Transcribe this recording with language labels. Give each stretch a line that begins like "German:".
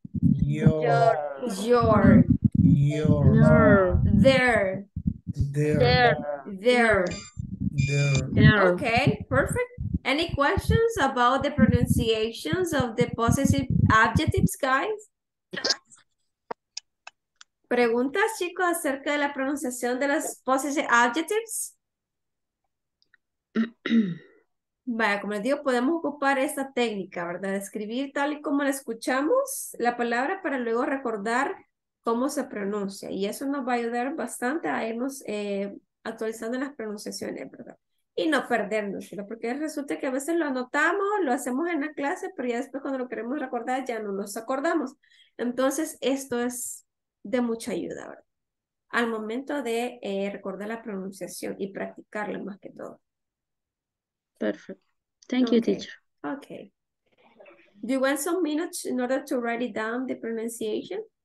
English: Your. Your. Your. Your. Their. Their. Their. Okay, perfect. Any questions about the pronunciations of the possessive adjectives, guys?
Spanish: ¿Preguntas, chicos, acerca de la pronunciación de las possessive adjectives? Vaya, como les digo, podemos ocupar esta técnica, ¿verdad? De escribir tal y como la escuchamos la palabra para luego recordar cómo se pronuncia. Y eso nos va a ayudar bastante a irnos actualizando las pronunciaciones, ¿verdad? Y no perdernos, ¿verdad? Porque resulta que a veces lo anotamos, lo hacemos en la clase, pero ya después cuando lo queremos recordar ya no nos acordamos. Entonces, esto es de mucha ayuda, ¿verdad? Al momento de recordar la pronunciación y practicarla más que todo.
English: Perfect. Thank you, teacher. Okay. Do you want some minutes in order to write it down, the pronunciation?